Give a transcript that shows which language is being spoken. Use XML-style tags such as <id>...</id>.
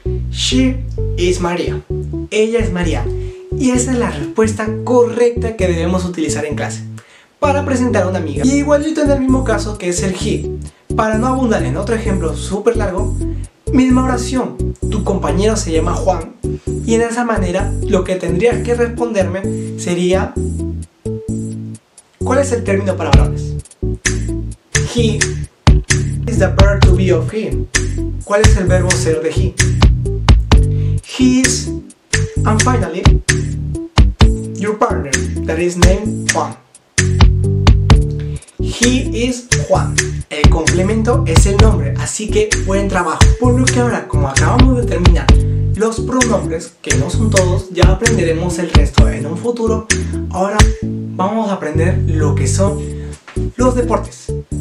<es>She is María. Ella es María. Y esa es la respuesta correcta que debemos utilizar en clase para presentar a una amiga. Y igualito en el mismo caso que es el he. Para no abundar en otro ejemplo súper largo, misma oración. Tu compañero se llama Juan. Y en esa manera, lo que tendrías que responderme sería: ¿cuál es el término para varones?</es> <en>He is the verb to be of him.</en> <es>¿Cuál es el verbo ser de he?</es> <en>He is. And finally, your partner, that is named Juan. He is Juan.</en> <es>El complemento es el nombre, así que buen trabajo. Por lo que ahora, como acabamos de terminar los pronombres, que no son todos, ya aprenderemos el resto en un futuro. Ahora vamos a aprender lo que son los deportes.</es>